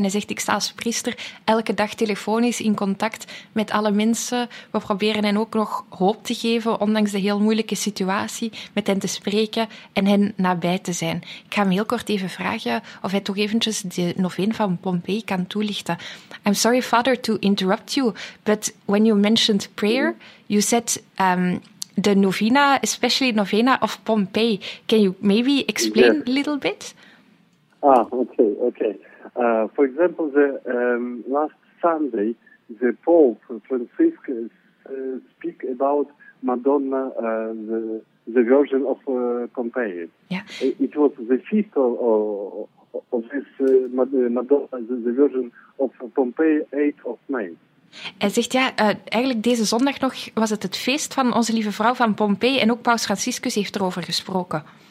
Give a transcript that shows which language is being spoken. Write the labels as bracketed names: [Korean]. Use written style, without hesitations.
[Dutch] Hij zegt, ik sta als priester elke dag telefonisch in contact met alle mensen. We proberen hen ook nog hoop te geven, ondanks de heel moeilijke situatie, met hen te spreken en hen nabij te zijn. Ik ga hem heel kort even vragen of hij toch eventjes de novena van Pompeii kan toelichten. [English] I'm sorry, Father, to interrupt you, but when you mentioned prayer, you said... the novena, especially novena of Pompeii. Can you maybe explain a little bit? Ah, okay. For example, the last Sunday, the Pope Francis speak about Madonna, the Virgin of Pompeii. Yeah. It was the feast of this Madonna, the Virgin of Pompeii, 8th of May. [Dutch] Hij zegt, ja, eigenlijk deze zondag nog was het feest van Onze Lieve Vrouw van Pompeii en ook Paus Franciscus heeft erover gesproken.